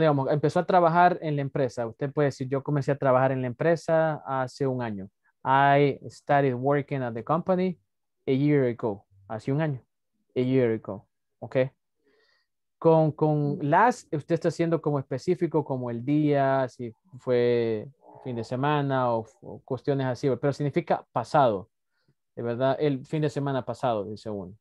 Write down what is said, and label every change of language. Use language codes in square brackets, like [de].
[es] Empezó a trabajar en la empresa. Usted puede decir, yo comencé a trabajar en la empresa hace un año. [en] I started working at the company a year ago. [es] Hace un año. [en] A year ago. [es] Ok. Con last, usted está siendo como específico, como el día, si fue fin de semana o cuestiones así. Pero significa pasado. De verdad, el fin de semana pasado, dice uno.